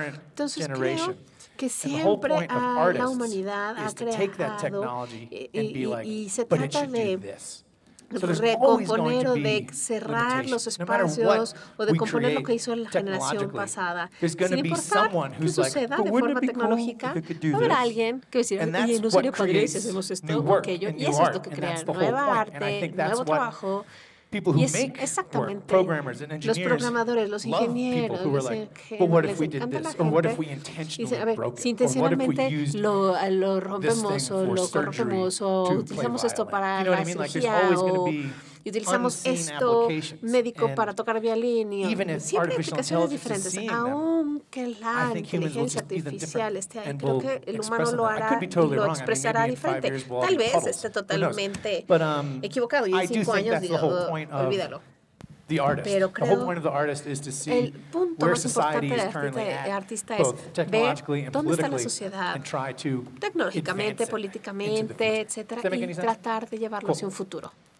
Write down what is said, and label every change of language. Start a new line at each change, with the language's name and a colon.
Spanish: Entonces creo que siempre la humanidad ha creado y se trata de recomponer o de cerrar los espacios o de componer lo que hizo la generación pasada. Sin importar qué suceda de forma tecnológica, va a haber alguien que va a decir, y no sería padre si hacemos esto o aquello, y eso es lo que crea nueva arte, nuevo trabajo.
English: People who make work, programmers and engineers, love people who are like, but what if we did this? Or what if we intentionally broke it? Or what if we used this thing for surgery to play violin? You know what I mean? Like, there's always going to be
Spanish: y utilizamos esto médico para tocar violín y siempre hay aplicaciones diferentes, aunque la inteligencia artificial esté ahí, creo que el humano lo hará y lo expresará diferente. Tal vez esté totalmente equivocado y en 5 años digo, olvídalo.
English: The artist.
Spanish: Pero creo,
English: the whole point of the artist is to see where society is currently at, both technologically and politically, and try to
Spanish: tecnológicamente, políticamente, etcétera, y tratar de llevarlo hacia un futuro.